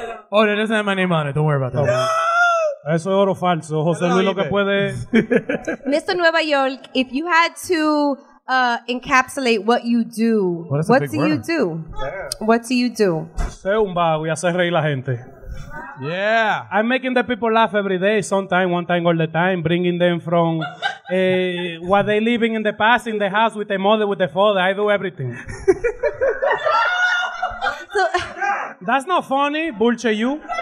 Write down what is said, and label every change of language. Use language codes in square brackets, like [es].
[en] Oh, that doesn't have my name on it. Don't worry about that. No! [es] Eso es oro falso. José Luis lo que puede... [en] Mr. Nueva York, if you had to encapsulate what you do, what do you do? Yeah. What do you do? [es] Ser un vago y hacer reír la gente. [en] Yeah, I'm making the people laugh every day, sometimes, one time, all the time, bringing them from what they living in the past, in the house, with the mother, with the father. I do everything. So, that's not funny, bullshit you.